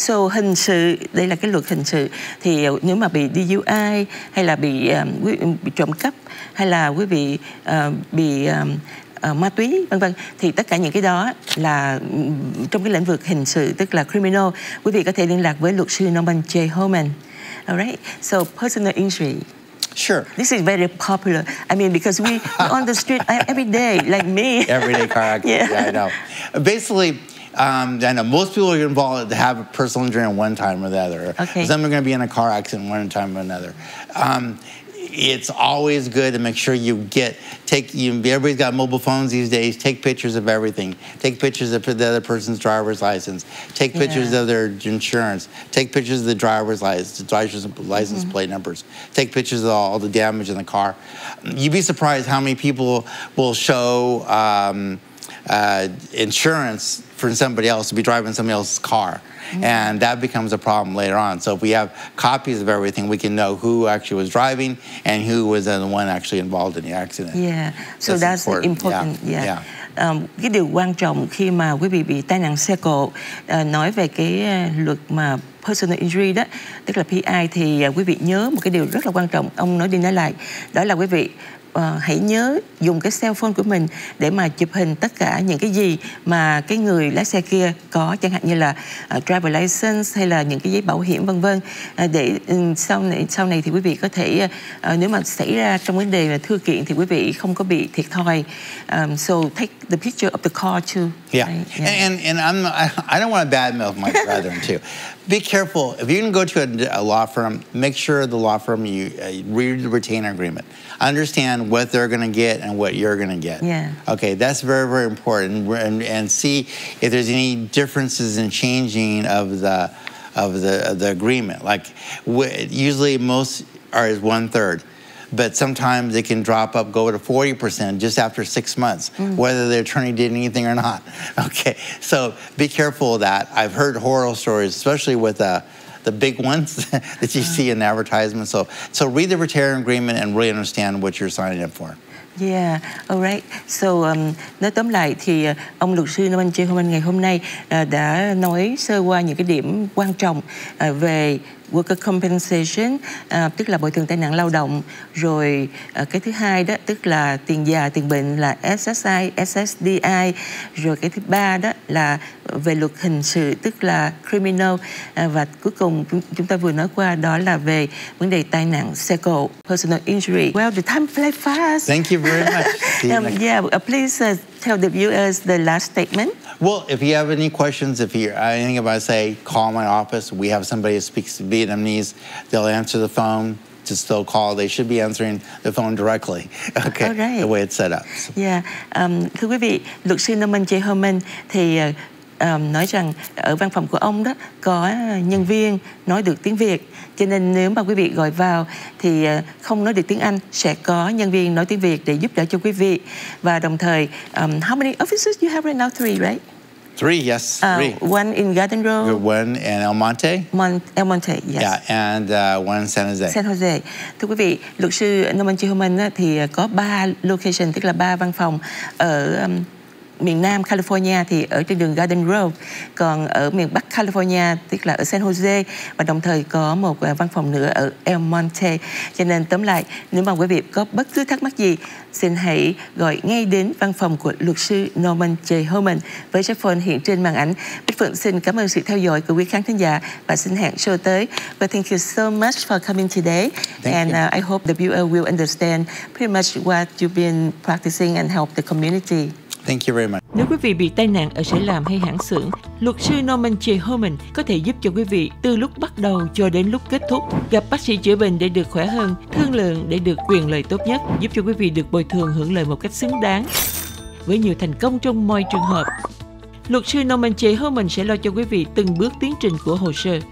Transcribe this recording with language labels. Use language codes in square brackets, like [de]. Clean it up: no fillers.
[vi] So hình sự, đây là cái luật hình sự. Thì nếu mà bị DUI hay là bị trộm cắp hay là quý vị bị ma túy vân vân, thì tất cả những cái đó là trong cái lĩnh vực hình sự, tức là criminal, quý vị có thể liên lạc với luật sư Norman J Homen. [en] All right. So personal injury. Sure. This is very popular. I mean, because we on the street every day, like me. Everyday car accident. Yeah, I know. Basically, I know most people are involved to have a personal injury at one time or the other. Okay. Some are going to be in a car accident one time or another. It's always good to make sure you everybody's got mobile phones these days, take pictures of everything. Take pictures of the other person's driver's license. Take pictures of their insurance. Take pictures of the driver's license plate numbers. Take pictures of all the damage in the car. You'd be surprised how many people will show insurance for somebody else to be driving somebody else's car. And that becomes a problem later on. So if we have copies of everything, we can know who actually was driving and who was the one actually involved in the accident. Yeah, so that's important. [vi] Cái điều quan trọng khi mà quý vị bị tai nạn xe cộ, nói về cái luật mà personal injury đó, tức là PI, thì quý vị nhớ một cái điều rất là quan trọng. Ông nói đi nói lại, đó là quý vị hãy nhớ dùng cái cell phone của mình để mà chụp hình tất cả những cái gì mà cái người lái xe kia có, chẳng hạn như là driver license hay là những cái giấy bảo hiểm vân vân, để sau này thì quý vị có thể nếu mà xảy ra trong vấn đề là thưa kiện thì quý vị không có bị thiệt thòi. [en] So take the picture of the car too. And I don't want to badmouth my brethren too. Be careful if you can go to a law firm. Make sure the law firm you read the retainer agreement. Understand what they're going to get and what you're going to get. Yeah. Okay, that's very, very important. And see if there's any differences in changing of the agreement. Like usually most are is 1/3. But sometimes it can drop up, go to 40% just after 6 months, whether the attorney did anything or not. Okay, so be careful of that. I've heard horror stories, especially with the big ones that you see in advertisements. So read the retainer agreement and really understand what you're signing up for. Yeah, all right. [vi] So, nói tóm lại thì ông luật sư Norman J. Homan ngày hôm nay đã nói sơ qua những cái điểm quan trọng về worker compensation, tức là bồi thường tai nạn lao động, rồi cái thứ hai đó tức là tiền già tiền bệnh là SSI, SSDI, rồi cái thứ ba đó là về luật hình sự, tức là criminal, và cuối cùng chúng ta vừa nói qua đó là về vấn đề tai nạn xe cộ, personal injury. [en] Well, the time flies fast. Thank you very much. Please tell the viewers the last statement. Well, if you have any questions, if you anything about say, call my office. We have somebody who speaks Vietnamese. They'll answer the phone. To still call, they should be answering the phone directly. Okay, all right. The way it's set up. So. Yeah. [vi] Thưa quý vị, luật sư Norman J. Homan thì nói rằng ở văn phòng của ông đó có nhân viên nói được tiếng Việt, cho nên nếu mà quý vị gọi vào thì không nói được tiếng Anh, sẽ có nhân viên nói tiếng Việt để giúp đỡ cho quý vị. Và đồng thời, [en] how many offices you have right now? Three, right? Three, yes, three. One in Garden Grove. One in El Monte. El Monte, yes. Yeah, and one in San Jose. San Jose. [vi] Thưa quý vị, luật sư Norman J. Homan thì có ba location, tức là ba văn phòng ở miền Nam California thì ở trên đường Garden Grove, còn ở miền Bắc California tức là ở San Jose, và đồng thời có một văn phòng nữa ở El Monte. Cho nên tóm lại, nếu mà quý vị có bất cứ thắc mắc gì, xin hãy gọi ngay đến văn phòng của luật sư Norman J. Homan với số phone hiện trên màn ảnh. Bích Phượng xin cảm ơn sự theo dõi của quý khán thính giả và xin hẹn show tới. [en] But thank you so much for coming today. Thank you. I hope the viewer will understand pretty much what you've been practicing and help the community. Thank you very much. [vi] Nếu quý vị bị tai nạn ở sở làm hay hãng xưởng, luật sư Norman J. Homan có thể giúp cho quý vị từ lúc bắt đầu cho đến lúc kết thúc, gặp bác sĩ chữa bệnh để được khỏe hơn, thương lượng để được quyền lợi tốt nhất, giúp cho quý vị được bồi thường hưởng lợi một cách xứng đáng. với nhiều thành công trong mọi trường hợp. Luật sư Norman J Homen sẽ lo cho quý vị từng bước tiến trình của hồ sơ.